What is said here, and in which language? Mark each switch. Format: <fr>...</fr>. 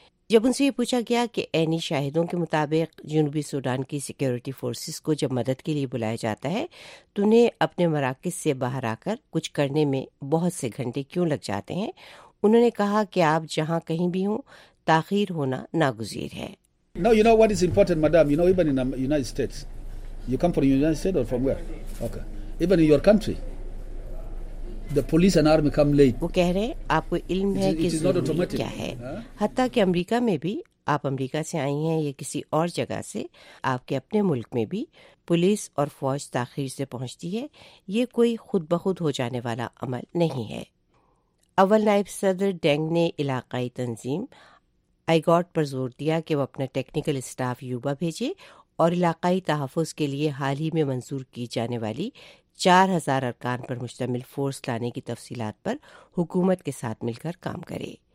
<ur>جب ان سے یہ پوچھا گیا کہ عینی شاہدوں کے مطابق جنوبی سوڈان کی سیکیورٹی فورسز کو جب مدد کے لیے بلایا جاتا ہے تو انہیں اپنے مراکز سے باہر آ کر کچھ کرنے میں بہت سے گھنٹے کیوں لگ جاتے ہیں، انہوں نے کہا کہ آپ جہاں کہیں بھی ہوں تاخیر ہونا ناگزیر ہے.</ur> <en>No, you know what is important, madam? You know, even in the United States, you come from the United States or from where? Okay. Even in your country, the police and army come late.</en> <ur>وہ کہہ رہے ہیں آپ کو علم ہے کہ ضروری کیا ہے. حتیٰ کہ امریکہ میں بھی, آپ امریکہ سے آئی ہیں یا کسی اور جگہ سے, آپ کے اپنے ملک میں بھی پولیس اور فوج تاخیر سے پہنچتی ہے. یہ کوئی خود بخود ہو جانے والا عمل نہیں ہے. اول نائب صدر ڈینگ نے علاقائی تنظیم آئی گاٹ پر زور دیا کہ وہ اپنا ٹیکنیکل اسٹاف یوبا بھیجے اور علاقائی تحفظ کے لیے حال ہی میں منظور کی جانے والی 4,000 ارکان پر مشتمل فورس لانے کی تفصیلات پر حکومت کے ساتھ مل کر کام کرے.</ur>